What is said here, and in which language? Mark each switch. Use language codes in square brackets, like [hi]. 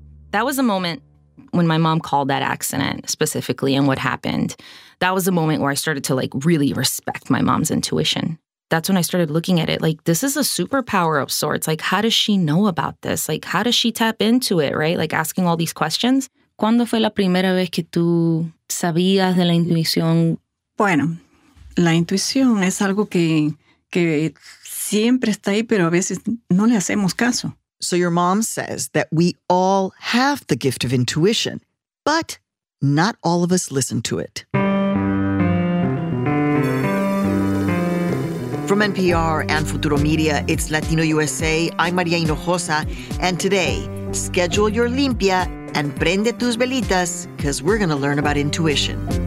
[en] That was the moment when my mom called that accident specifically and what happened. That was the moment where I started to like really respect my mom's intuition. That's when I started looking at it like, this is a superpower of sorts. Like, how does she know about this? Like, how does she tap into it, right? Like, asking all these questions. [es] ¿Cuándo fue la primera vez que tú sabías de la intuición? Bueno, la intuición es algo que siempre está ahí, pero a veces no le hacemos caso. [en] So your mom says that we all have the gift of intuition, but not all of us listen to it. From NPR and Futuro Media, it's Latino USA. I'm Maria Hinojosa. And today, schedule your limpia and [es] prende tus velitas, [en] because we're going to learn about intuition.